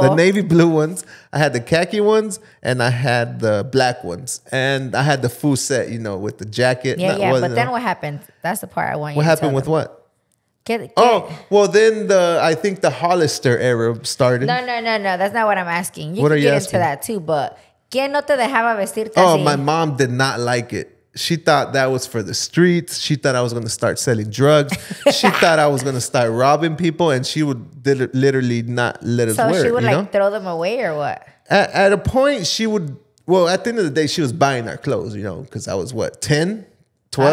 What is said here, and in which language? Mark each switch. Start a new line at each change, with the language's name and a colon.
English: The navy blue ones. I had the khaki ones. And I had the black ones. And I had the full set, you know, with the jacket. Yeah, yeah. But then what happened? That's the part I want you to tell them. What happened with what? Well, then I think the Hollister era started. No. That's not what I'm asking. You what can are get you into asking? That too.
Spanish: But ¿qué no te dejaba vestirte así?
English: Oh, my mom did not like it. She thought that was for the streets. She thought I was going to start selling drugs. She thought I was going to start robbing people. And she would literally not let us so wear it. So she would you know? Throw them away or what? At a point, she would... Well, at the end of the day, she was buying our clothes, you know, because I was, what, 10, 12?